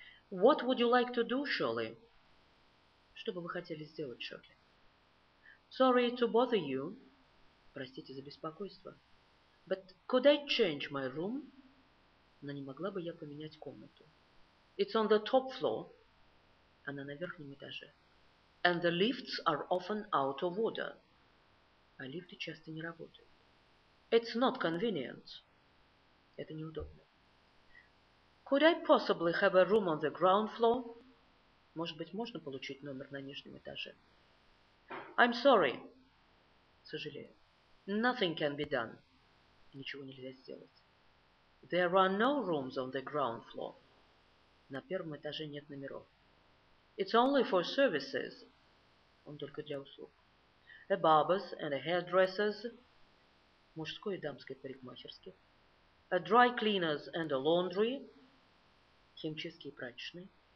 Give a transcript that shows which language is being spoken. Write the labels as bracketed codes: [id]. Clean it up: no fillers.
[en] What would you like to do, Shirley? [ru] Что бы вы хотели сделать, Shirley? [en] Sorry to bother you. [ru] Простите за беспокойство. [en] But could I change my room? [ru] Но не могла бы я поменять комнату. [en] It's on the top floor. [ru] Она на верхнем этаже. [en] And the lifts are often out of order. [ru] А лифты часто не работают. [en] It's not convenient. [ru] Это неудобно. [en] Could I possibly have a room on the ground floor? [ru] Может быть, можно получить номер на нижнем этаже? [en] I'm sorry. [ru] Сожалею. [en] Nothing can be done. [ru] Ничего нельзя сделать. [en] There are no rooms on the ground floor. [ru] На первом этаже нет номеров. [en] It's only for services. [ru] Он только для услуг. [en] A barber's and a hairdresser's. [ru] Мужской и дамской парикмахерский. [en] A dry cleaner's and a laundry. [ru] Химчистки и прачечные.